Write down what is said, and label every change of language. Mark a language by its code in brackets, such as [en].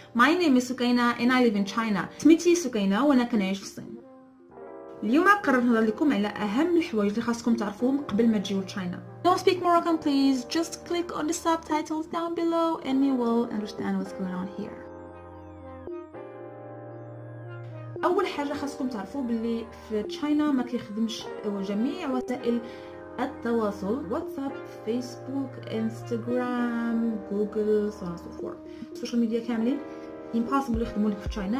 [en] My name is Sukaina and I live in China. [ar] سميتي سكينة وانا كنعيش في الصين. اليوم قررت نهضر لكم على اهم الحوايج اللي خاصكم تعرفوهم قبل ما تجيو لتشاينا. [en] Don't speak Moroccan please. Just click on the subtitles down below and you will understand what's going on here. [ar] اول حاجه خاصكم تعرفوا باللي في تشاينا ما كيخدمش جميع وسائل التواصل واتساب فيسبوك انستغرام جوجل سوفور السوشيال ميديا كاملين [en] impossible [ar] يخدموا لك في تشاينا.